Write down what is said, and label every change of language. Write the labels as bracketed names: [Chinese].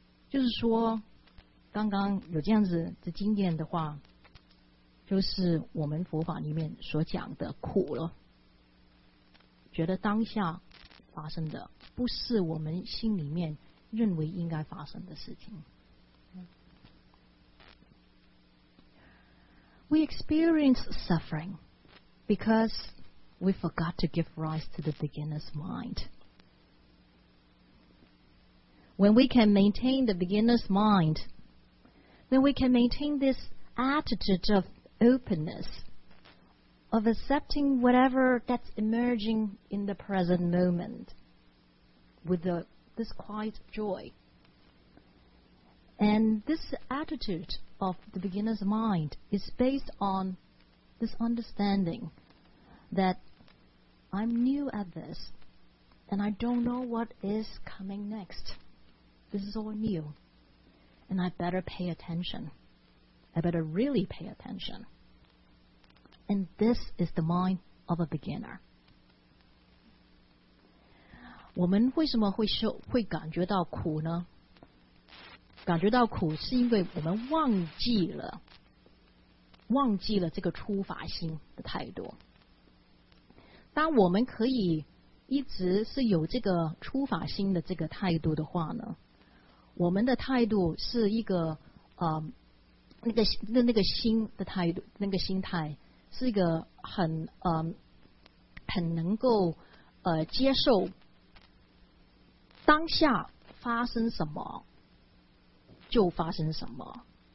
[Chinese] 就是说，刚刚有这样子的经验的话，就是我们佛法里面所讲的苦了，觉得当下发生的不是我们心里面认为应该发生的事情。 [English] We experience suffering because we forgot to give rise to the beginner's mind. When we can maintain the beginner's mind, then we can maintain this attitude of openness, of accepting whatever that's emerging in the present moment with this quiet joy. And this attitude,of the beginner's mind is based on this understanding that I'm new at this And I don't know what is coming next. This is all new. And I better pay attention. I better really pay attention. And this is the mind of a beginner. [Chinese] 我们为什么 会感觉到苦呢？感觉到苦是因为我们忘记了这个初发心的态度。当我们可以一直是有这个初发心的这个态度的话呢，我们的态度是一个那个心的态度，那个心态是一个很能够接受当下发生什么就发生什么。